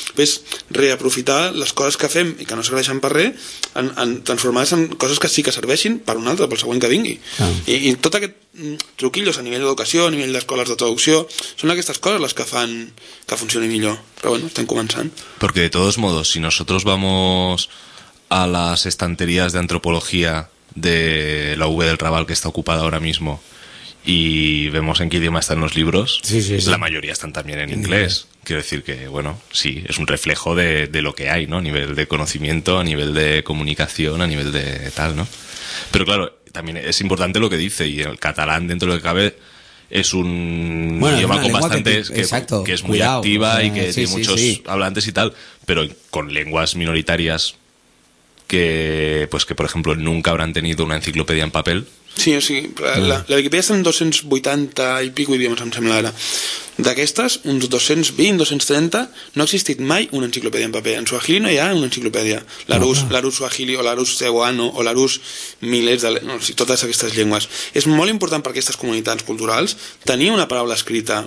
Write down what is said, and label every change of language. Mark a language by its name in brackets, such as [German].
[Catalan] Ves reaprofitar les coses que fem i que no serveixen per res en transformar-les en coses que sí que serveixin per un altre, pel següent que vingui. Ah. I tot aquest truquillos a nivell d'educació, a nivell d'escoles de traducció, són aquestes coses les que fan que funcioni millor, però bueno, estem començant. [Spanish] Porque de todos modos, si nosotros vamos a las estanterías de antropología de la UB del Raval, que está ocupada ahora mismo, y vemos en qué idioma están los libros, sí. La mayoría están también en inglés. Quiero decir que, bueno, sí, es un reflejo de lo que hay, ¿no? A nivel de conocimiento, a nivel de comunicación, a nivel de tal, ¿no? Pero claro, también es importante lo que dice, y el catalán, dentro de lo que cabe, es un idioma con bastantes, que es muy activa y que tiene muchos hablantes y tal, pero con lenguas minoritarias que por ejemplo nunca habrán tenido una enciclopedia en papel. [Catalan] Sí, o sigui, la Wikipedia està en 280 i pico idiomes, em sembla ara. D'aquestes, uns 220, 230, no ha existit mai una enciclopèdia en paper. En suahili no hi ha una enciclopèdia. L'arús suahili o l'arús cebuano o l'arús milers de... No, o sigui, totes aquestes llengües. És molt important per aquestes comunitats culturals tenir una paraula escrita.